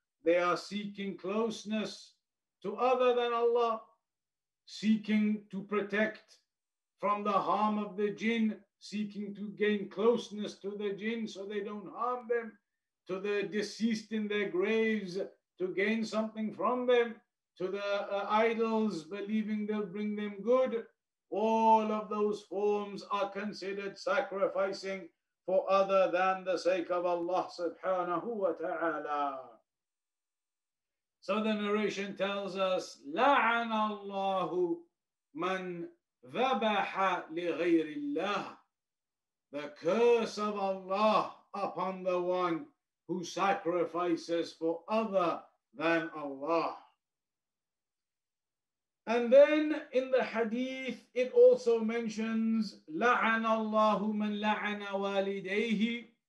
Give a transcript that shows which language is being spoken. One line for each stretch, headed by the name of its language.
English: They are seeking closeness to other than Allah, seeking to protect from the harm of the jinn, seeking to gain closeness to the jinn so they don't harm them, to the deceased in their graves, to gain something from them, to the idols, believing they'll bring them good. All of those forms are considered sacrificing for other than the sake of Allah subhanahu wa ta'ala. So the narration tells us,
Arabic: لَعَنَ اللَّهُ مَنْ ذَبَحَ لِغَيْرِ اللَّهِ.
English: The curse of Allah upon the one who sacrifices for other than Allah. And then in the hadith, it also mentions,
Arabic: لَعَنَ اللَّهُ مَنْ لَعَنَ وَالِدَيْهِ.